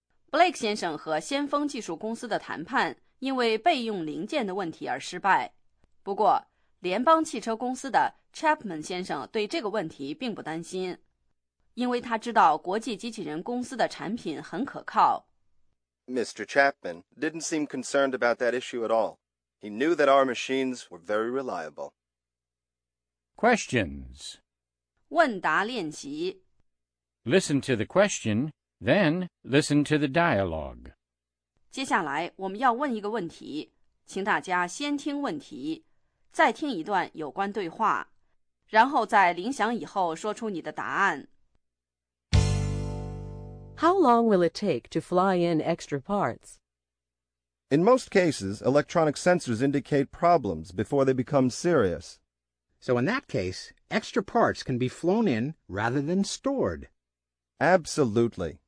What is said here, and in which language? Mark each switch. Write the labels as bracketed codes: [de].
[zh] Blake 先生和先锋技术公司的谈判因为备用零件的问题而失败。不过，联邦汽车公司的Chapman 先生对这个问题并不担心，因为他知道国际机器人公司的产品很可靠。 [en] Mr. Chapman didn't seem concerned about that issue at all. He knew that our machines were very reliable. Questions. [zh] 问答练习。 [en] Listen to the question, then listen to the dialogue. [zh] 接下来我们要问一个问题，请大家先听问题，再听一段有关对话。然后在铃响以后说出你的答案。 [en] How long will it take to fly in extra parts? In most cases, electronic sensors indicate problems before they become serious. So in that case, extra parts can be flown in rather than stored. Absolutely.